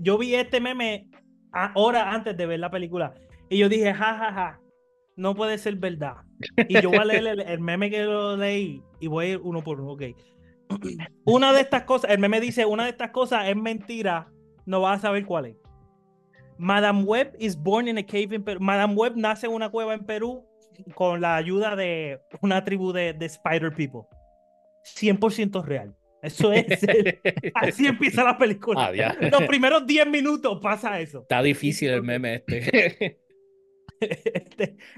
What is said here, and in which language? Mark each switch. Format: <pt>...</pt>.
<es>Yo vi este meme horas antes de ver la película. Y yo dije, ja, ja, ja, no puede ser verdad. Y yo voy a leer el meme que lo leí y voy a ir uno por uno. Okay. Una de estas cosas, el meme dice, una de estas cosas es mentira. No vas a saber cuál es.</es> <en>Madame Web is born in a cave in Peru.</en> <es>Madame Web nace en una cueva en Perú con la ayuda de una tribu de</es> <en>spider people.</en> <es>100% real. Eso es. Así empieza la película. Ah, los primeros 10 minutos pasa eso. Está difícil el meme este.</es>